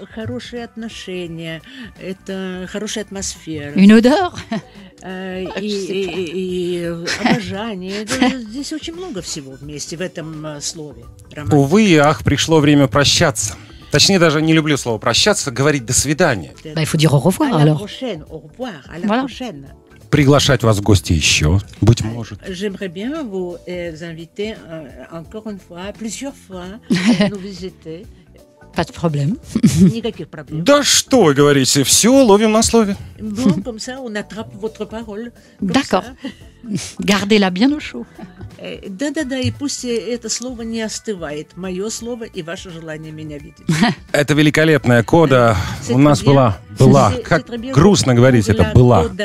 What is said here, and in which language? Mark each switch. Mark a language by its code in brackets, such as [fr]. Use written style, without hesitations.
[ru] Хорошие отношения, это хорошая атмосфера. [fr] Une odeur. [ru] И обожание. Здесь очень много всего вместе в этом слове. Романтика. Увы и ах, пришло время прощаться. Точнее, даже не люблю слово прощаться, говорить до свидания. [fr] Да, il faut dire au revoir, alors. À la prochaine, au revoir, à la prochaine. [ru] Приглашать вас в гости еще, быть может. [fr] J'aimerais bien vous inviter encore une fois, plusieurs fois, nous visiter. Pas de problème. [ru] Никаких проблем. Да что вы говорите, все ловим на слове. [fr] Bon, comme ça, on attrape votre parole. D'accord. Gardez-la bien au chaud. [ru] Да-да-да, и пусть это слово не остывает. Мое слово и ваше желание меня видеть. Это великолепная кода. У нас была. Как грустно говорить, это была.